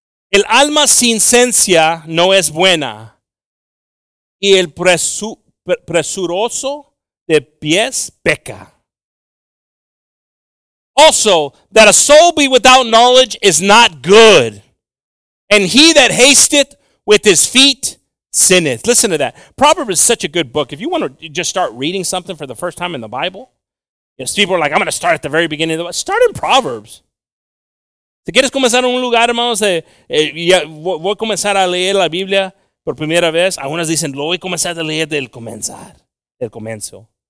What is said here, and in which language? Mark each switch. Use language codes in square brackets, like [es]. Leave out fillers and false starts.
[es] El alma sin ciencia no es buena, y el presuroso de pies peca. [en] Also, that a soul be without knowledge is not good, and he that hasteth with his feet sinneth. Listen to that. Proverbs is such a good book. If you want to just start reading something for the first time in the Bible, if people are like, I'm going to start at the very beginning of the Bible, start in Proverbs. [es] Si quieres comenzar en un lugar, hermanos, voy a comenzar a leer la Biblia por primera vez. Algunas dicen, lo voy a comenzar a leer del comenzar, del comienzo.